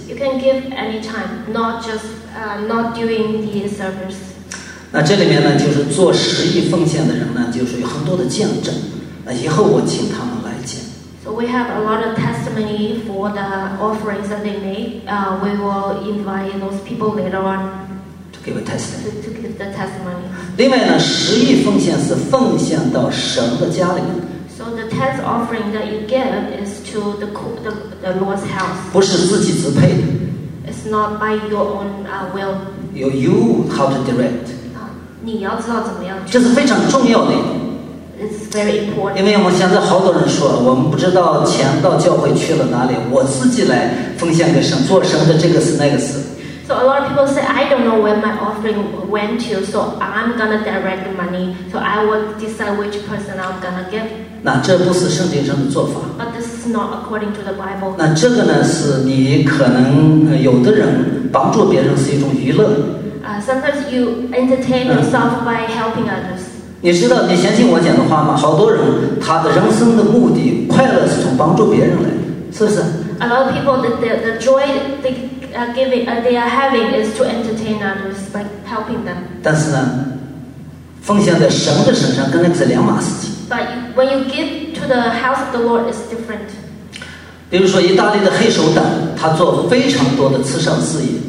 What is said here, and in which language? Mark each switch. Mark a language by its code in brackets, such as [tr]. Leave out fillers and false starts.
[en] You can give any time, not during the service. [zh] 那这里面呢，就是做十亿奉献的人呢，就是有很多的见证。那以后我请他们来讲。 [en] So we have a lot of testimony for the offerings that they made. We will invite those people later on to give a testimony. To give the testimony. [zh] 另外呢，十亿奉献是奉献到神的家里面。 [en] So the tenth offering that you give is to the Lord's house. [zh] 不是自己支配的。 [en] It's not by your own will. You how to direct. [zh] 你要知道怎么样。这是非常重要的。 [en] It's very [zh] 因为我现在好多人说我们不知道钱到教会去了哪里，我自己来奉献给神，做神的这个是那个是。 [en] So a lot of people say I don't know where my offering went to, so I'm gonna direct the money, so I will decide which person I'm gonna give. [zh] 那这不是圣经上的做法。 [en] But this is not according to the Bible. [zh] 那这个呢，是你可能有的人帮助别人是一种娱乐。 [en] Sometimes you entertain yourself by helping others. [zh] 你知道你相信我讲的话吗？好多人他的人生的目的快乐是从帮助别人来，是不是？ [en] A lot of people the joy they are giving, they are having is to entertain others by helping them. [zh] 但是呢，奉献在神的身上跟那是两码事情。 [en] But when you give to the house of the Lord is different. [zh] 比如说意大利的黑手党，他做非常多的慈善事业。